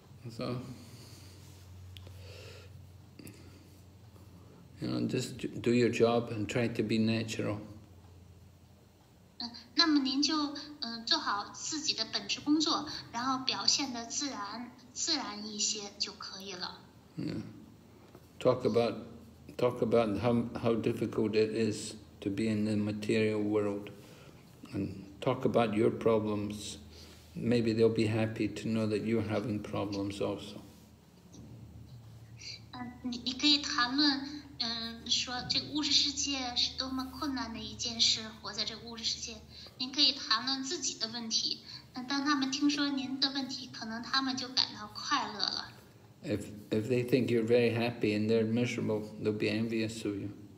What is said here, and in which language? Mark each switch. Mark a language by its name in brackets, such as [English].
[English] So, you know, just do your job and try to be natural. [Chinese] 那么您就做好自己的本职工作，然后表现得自然一些就可以了。 [English] Talk about talk about how difficult it is to be in the material world, and talk about your problems. Maybe they'll be happy to know that you're having problems also. If they think you're very happy and they're miserable, they'll be envious of you.